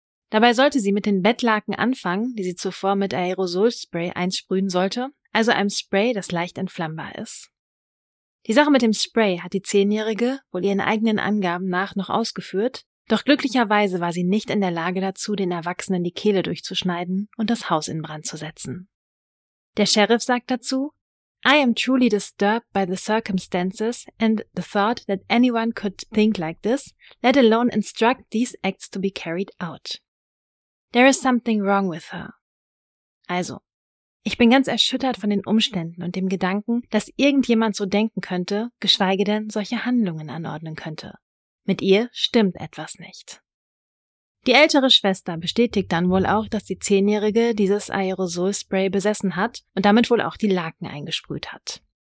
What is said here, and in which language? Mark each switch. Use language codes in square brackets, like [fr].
[de] Dabei sollte sie mit den Bettlaken anfangen, die sie zuvor mit Aerosolspray einsprühen sollte, also einem Spray, das leicht entflammbar ist. Die Sache mit dem Spray hat die 10-Jährige wohl ihren eigenen Angaben nach noch ausgeführt, doch glücklicherweise war sie nicht in der Lage dazu, den Erwachsenen die Kehle durchzuschneiden und das Haus in Brand zu setzen. Der Sheriff sagt dazu: [en] "I am truly disturbed by the circumstances and the thought that anyone could think like this, let alone instruct these acts to be carried out. There is something wrong with her." [de] Also, ich bin ganz erschüttert von den Umständen und dem Gedanken, dass irgendjemand so denken könnte, geschweige denn solche Handlungen anordnen könnte. Mit ihr stimmt etwas nicht. Die ältere Schwester bestätigt dann wohl auch, dass die 10-Jährige dieses Aerosolspray besessen hat und damit wohl auch die Laken eingesprüht hat.